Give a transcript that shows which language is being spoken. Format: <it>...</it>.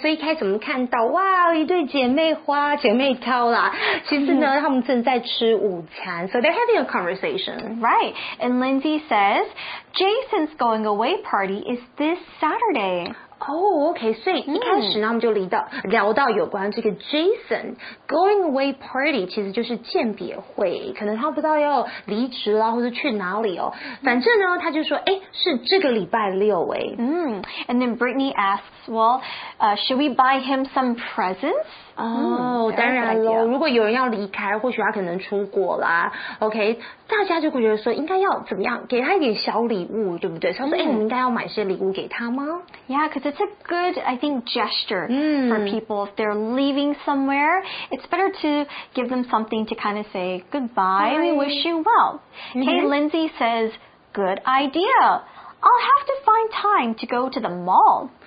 <zh>So 一开始我们看到，哇，一对姐妹花、姐妹淘啦。其实呢，她们正在吃午餐。</zh> <en>So they're having a conversation. Right. And Lindsay says, Jason's going away party is this Saturday. Oh, okay.</en> <zh>所以一开始呢，我们就聊到有关这个 Jason</zh> <en>going away party，</en> <zh>其实就是鉴别会，可能他不知道要离职了，或者去哪里哦。反正呢，他就说，哎，是这个礼拜六哎。</zh> <en>And then Brittany asks, well, should we buy him some presents?</en> <zh>当然喽。如果有人要离开，或许他可能出国啦。OK， 大家就会觉得说，应该要怎么样，给他一点小礼物，对不对？所以说，哎，我们应该要买些礼物给他吗</zh> <en>？Yeah, because it's a good, I think, gesture for people if they're leaving somewhere. It's better to give them something to kind of say goodbye. We wish you well. Okay, Lindsay says, good idea. I'll have to find time to go to the mall.</en>